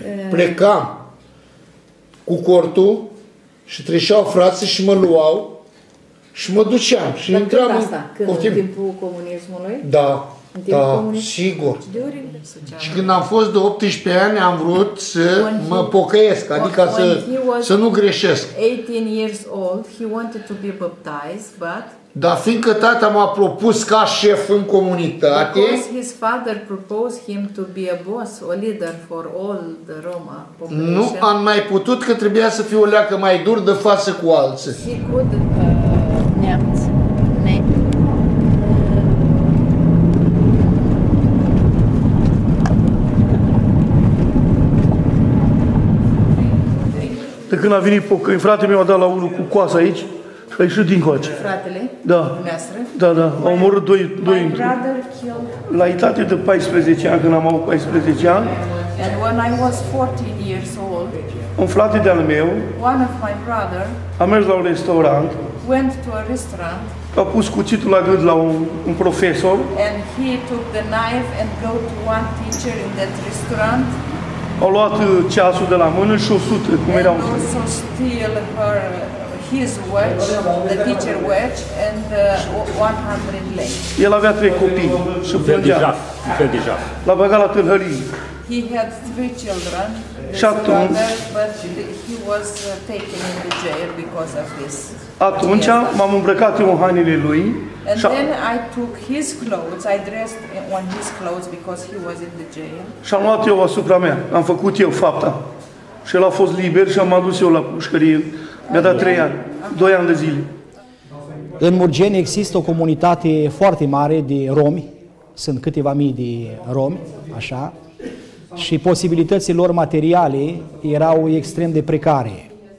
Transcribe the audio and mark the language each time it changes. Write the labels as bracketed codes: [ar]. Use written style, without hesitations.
[ro] Plecam cu cortul și treceau frații și mă luau și mă duceam. Și intram în timpul comunismului? Da. Da, sigur. Și când am fost de 18 ani, am vrut să mă pocăiesc, adică să nu greșesc. [en] 18 years old, he wanted to be baptized, but [ro] dar fiindcă tata m-a propus ca șef în comunitate. [en] Because his father proposed him to be a boss, a leader for all the Roma population. [ro] Nu am mai putut, că trebuia să fiu o leacă mai dur de față cu alții. [en] He could, [ro] când a venit pocăința, fratele meu a dat la unul cu coasă aici, a ieșit din coace. Fratele? Da. Dumneavoastră? Da, da. A omorât doi într-un. [en] My brother killed. [ro] La etate de 14 ani, când am avut 14 ani, [en] and when I was 14 years old, [ro] un frate de-al meu, [en] one of my brother, [ro] a mers la un restaurant, [en] went to a restaurant, [ro] a pus cuțitul la gât la un profesor, [en] and he took the knife and go to one teacher in that restaurant. [ro] A luat ceasul de la mână și o sută, cum era un fel. [en] Also steal her, his watch, the teacher watch, and 100 lei. [ro] El avea trei copii și plângea. L-a băgat la tâlhărie. [en] He had three children. [ro] Și atunci, [en] but he was taken in the jail because of this. [ro] Atunci m-am îmbrăcat în hainele lui. [en] And then I took his clothes. I dressed on his clothes because he was in the jail. [ro] Și am luat eu asupra mea. Am făcut eu fapta. Și el a fost liber și am adus eu la pușcărie. Mi-a dat 3 ani, 2 ani de zile. În Murgeni există o comunitate foarte mare de romi. Sunt câteva mii de romi, așa. Și posibilitățile lor materiale erau extrem de precare.